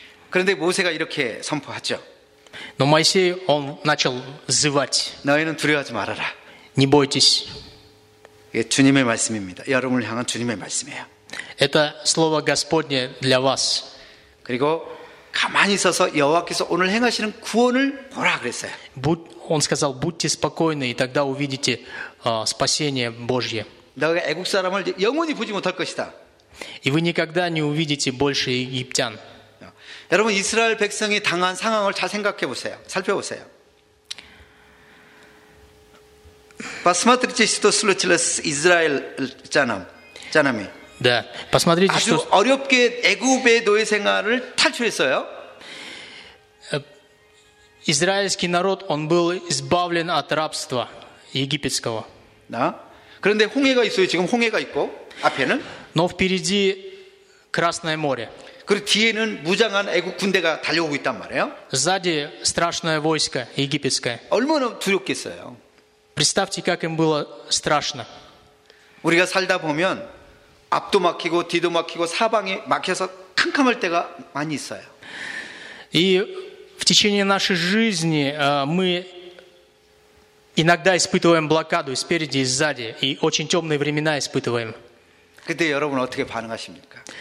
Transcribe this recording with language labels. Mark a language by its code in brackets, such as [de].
[ko] 그런데 모세가 이렇게 선포하죠. [ru] Но Моисей он начал взывать. [ko] 너희는 두려워하지 말아라. [ru] Не бойтесь. [ko] 이게 주님의 말씀입니다. 여러분을 향한 주님의 말씀이에요. [ru] Это слово Господне для вас. [ko] 그리고 가만히 서서 여호와께서 오늘 행하시는 구원을 보라 그랬어요. [ru] Он сказал: будьте спокойны, и тогда увидите спасение Божье. [ko] 너희가 애굽 사람을 영원히 보지 못할 것이다. [ru] И вы никогда не увидите больше египтян. [ko] 여러분 이스라엘 백성이 당한 상황을 잘 생각해 보세요. 살펴보세요. [ru] Посмотрите, что случилось Израиль Джанами. 네. Посмотрите, что [ko] 아주 어렵게 애굽의 노예 생활을 탈출했어요. [ru] Израильский народ он был избавлен от рабства египетского. [ko] 나 그런데 홍해가 있어요. 지금 홍해가 있고 앞에는 [ru] Но впереди Красное море. [ko] 그리고 뒤에는 무장한 애굽 군대가 달려오고 있단 말이에요. [ru] Сзади страшное войско египетское. [ko] 얼마나 두렵겠어요. [ru] Представьте, как им было страшно. [ko] 우리가 살다 보면 앞도 막히고 뒤도 막히고 사방이 막혀서 캄캄할 때가 많이 있어요. [ru] И в течение нашей жизни мы иногда испытываем блокаду спереди и сзади, и очень темные времена испытываем. [ko] 그때 여러분 어떻게 반응하십니까?